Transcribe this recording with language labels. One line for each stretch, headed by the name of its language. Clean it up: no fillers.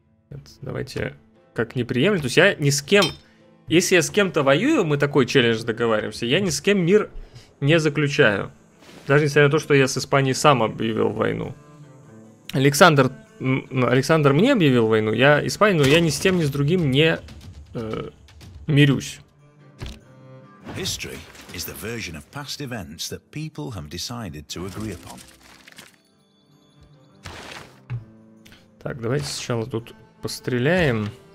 Russian: Нет, давайте как неприемлемо. То есть я ни с кем... Если я с кем-то воюю, мы такой челлендж договариваемся, я ни с кем мир не заключаю. Даже несмотря на то, что я с Испанией сам объявил войну. Александр мне объявил войну, я Испания, но я ни с тем, ни с другим не мирюсь.
English: History is the version of past events that people have decided to agree upon.
Russian: Так, давайте сначала тут постреляем.